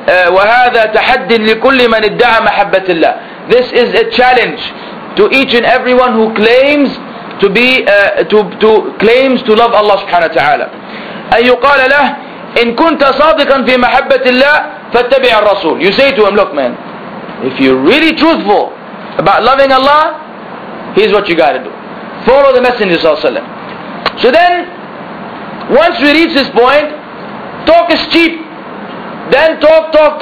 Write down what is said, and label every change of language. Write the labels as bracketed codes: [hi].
[ar] وهذا تحدي لكل من ادعى محبة الله. [en] This is a challenge to each and everyone who claims to be claims to love Allah subhanahu wa ta'ala. [ar] أن يقال له إن كنت صادقا في محبة الله فاتبع الرسول. [en] You say to him, look man, if you're really truthful about loving Allah, here's what you got to do. Follow the Messenger sallallahu alaihi wasallam. So then, once we reach this point, talk is cheap. Then talk.